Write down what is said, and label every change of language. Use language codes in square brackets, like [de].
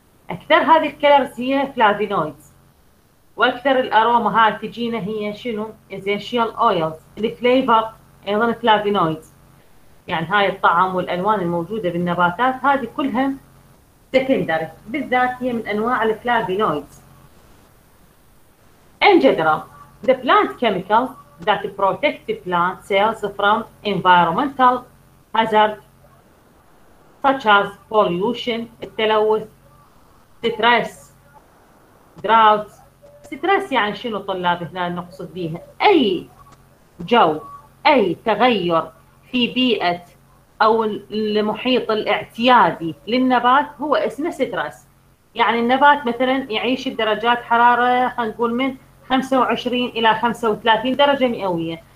[ar] أكثر هذه الكلرز هي فلافينويدز، وأكثر الأروما هاي تجينا هي شنو؟ إزينشيال أويلز. الفليفر أيضا فلافينويدز، يعني هاي الطعم والألوان الموجودة بالنباتات هذه كلها سكندري، بالذات هي من أنواع الفلافينويدز. إن جنرال [en] The plant chemical that protects the plant cells from environmental hazards such as pollution, التلوث, stress, drought. [ar] Stress يعني شنو طلاب هنا نقصد بيها؟ أي جو، أي تغير في بيئة أو المحيط الاعتيادي للنبات هو اسمه stress. يعني النبات مثلا يعيش بدرجات حرارة خلينا نقول من 25 إلى 35 درجة مئوية.